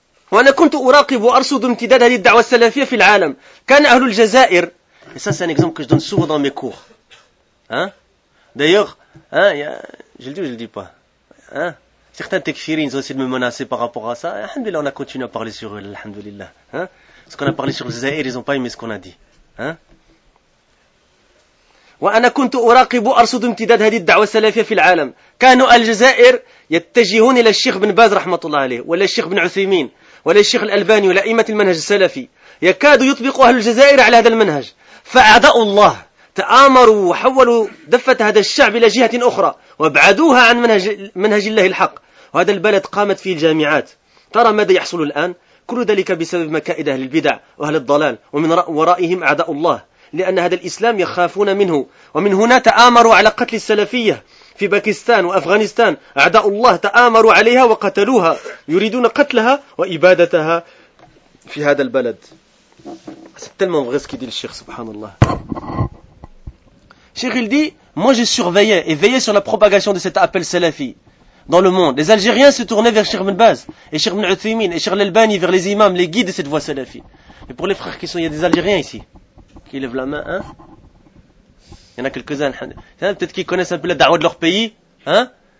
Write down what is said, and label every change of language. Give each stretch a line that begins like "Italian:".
Arabic: وأنا كنت أراقب وأرصد امتداد هذه الدعوة السلفية في العالم. كان أهل الجزائر.
French: Et ça, c'est un exemple que je donne souvent dans mes cours. Hein? D'ailleurs, hein, je le dis ou je le dis pas. Hein? Certains tekfiris ont essayé de me menacer par rapport à ça. Alhamdulillah, on a continué à parler sur eux. Alhamdulillah. Hein? Ce qu'on a parlé sur le Zahir, ils n'ont pas aimé ce qu'on a dit. Hein?
Arabic: وأنا كنت أراقب وأرصد امتداد هذه الدعوة السلفية في العالم. كانوا الجزائر يتجهون إلى الشيخ بن باز رحمة الله عليه ولا الشيخ بن عثيمين ولا الشيخ الألباني ولا أئمة المنهج السلفي يكاد يطبق أهل الجزائر على هذا المنهج. فأعداء الله تآمروا وحولوا دفة هذا الشعب إلى جهة أخرى وابعدوها عن منهج الله الحق. وهذا البلد قامت فيه الجامعات. ترى ماذا يحصل الآن؟ كل ذلك بسبب مكائد أهل البدع وأهل الضلال ومن ورائهم أعداء الله. لأن هذا الإسلام يخافون منه. ومن هنا تآمروا على قتل السلفية في باكستان وأفغانستان، أعداء الله تآمروا عليها وقتلوها، يريدون قتلها وإبادتها في هذا البلد. تلمون غسكي دي الشيخ سبحان الله.
French: Cheikh, il dit, moi je surveillais et veillais sur la propagation de cet appel salafi dans le monde. Les Algériens se tournaient vers Cheikh Ibn Baz et Cheikh Ibn Uthaymeen et Cheikh Al-Albani, vers les imams, les guides de cette voie salafi. Mais pour les frères qui sont, il y a des Algériens ici qui lèvent la main, hein? Il y en a quelques-uns, peut-être qu'ils connaissent un peu la da'wa de leur pays, hein?